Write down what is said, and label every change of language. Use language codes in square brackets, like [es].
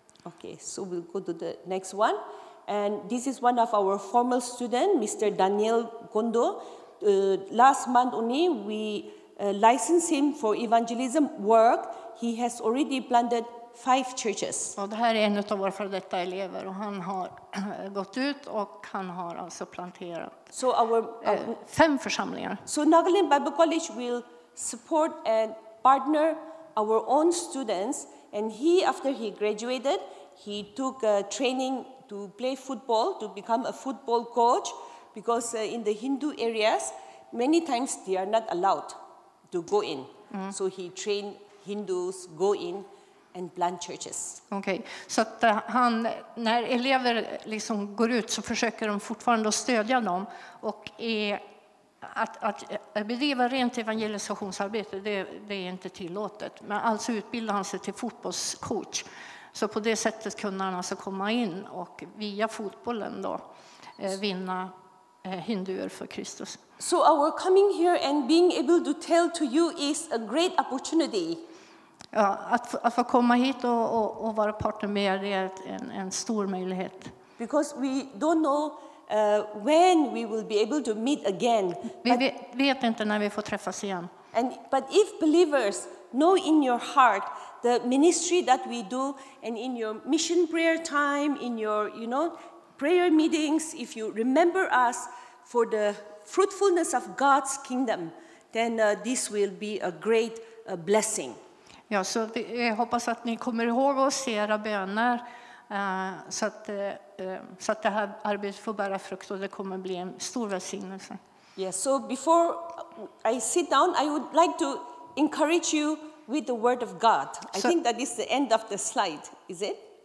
[en] Okay, so we'll go to the next one. And this is one of our former students, Mr. Daniel Gondo. Last month only, we licensed him for evangelism work. He has already planted 5 churches. [sv] Och det här är en av våra för detta elever. Och han har gått ut och han har alltså planterat 5 församlingar. [en] So Nagaland Bible College will support and partner our own students. And he, after he graduated, he took a training to play football, to become a football coach, because in the Hindu areas, many times they are not allowed to go in. Mm. So he trained Hindus go in and plant churches. [sv] Okay, så att han, när elever liksom går ut så försöker de fortfarande att stödja dem. Och att bedriva rent evangelisationsarbete, det är inte tillåtet. Men alltså utbildar han sig till fotbollscoach. Så på det sättet kunde han alltså komma in och via fotbollen då vinna hinduer för Kristus. [en] So our coming here and being able to tell to you is a great opportunity. [sv] Ja, att få komma hit och vara partner med er är en stor möjlighet. [en] Because we don't know when we will be able to meet again. [sv] Vi vet inte när vi får träffas igen. [en] But if believers know in your heart the ministry that we do, and in your mission prayer time, in your, you know, prayer meetings, if you remember us for the fruitfulness of God's kingdom, then this will be a great blessing. [sv] Ja, så vi hoppas att ni kommer ihåg oss i era böner, så att det här arbetet får bära frukt och det kommer bli en stor välsignelse. [en] Yes, so before I sit down, I would like to encourage you with the word of God. I think that is the end of the slide, is it?